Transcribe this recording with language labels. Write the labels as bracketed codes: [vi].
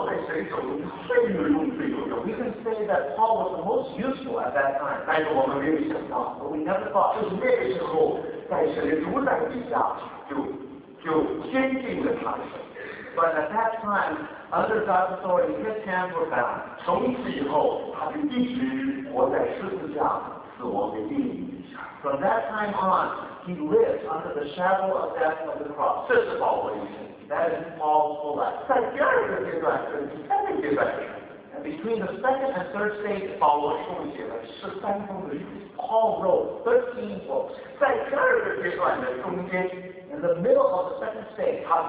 [zh] 我们知道说福音的门完全向他大大的打开。我们可以说那个时候保罗在神手中最有用。 [en] We can say that Paul was the most useful at that time. [zh] 但是我们没有想到，就是那个时候在神的主宰底下，就坚定了他的手。 [en] But at that time, under God's authority, his hands were bound. [zh] 从此以后，他就一直活在十字架死亡的阴影下。 [en] From that time on, he lived under the shadow of death of the cross. [zh] 这是保罗一生。 [en] That is Paul's whole life. [zh] 在第二个阶段，第三个阶段。 [en] Between the second and third stage, [zh] 保罗共写了13封的信。 [en] Paul wrote 13 books. [zh] 在第二个阶段的中间。 [en] In the middle of the second stage,